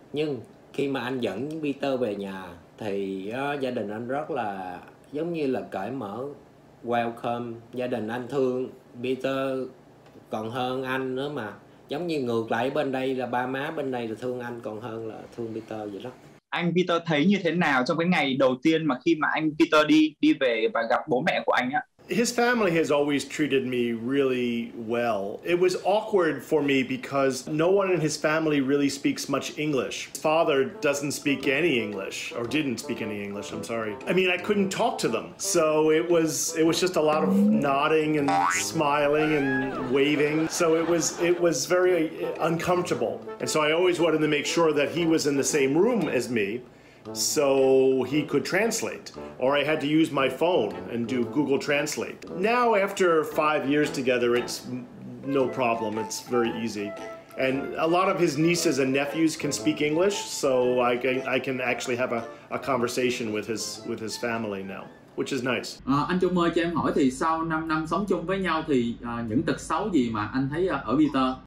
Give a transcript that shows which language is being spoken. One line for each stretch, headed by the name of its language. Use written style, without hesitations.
Vietnamese: Nhưng khi mà anh dẫn Peter về nhà thì gia đình anh rất là giống như là cởi mở, welcome. Gia đình anh thương Peter còn hơn anh nữa mà. Giống như ngược lại bên đây là ba má bên đây là thương anh còn hơn là thương Peter vậy đó. Anh Peter thấy như thế nào trong cái ngày đầu tiên mà khi mà anh Peter đi về và gặp bố mẹ của anh á?
English: His family has always treated me really well. It was awkward for me because no one in his family really speaks much English. His father doesn't speak any English, or didn't speak any English, I'm sorry. I mean, I couldn't talk to them. So it was just a lot of nodding and smiling and waving. So it was very uncomfortable. And so I always wanted to make sure that he was in the same room as me, so he could translate, or I had to use my phone and do Google Translate. Now, after 5 years together, it's no problem. It's very easy. And a lot of his nieces and nephews can speak English, so I can actually have a conversation with his family now, which is nice.
Vietnamese: Anh Trung ơi, cho em hỏi thì sau 5 năm sống chung với nhau thì những tật xấu gì mà anh thấy ở Peter?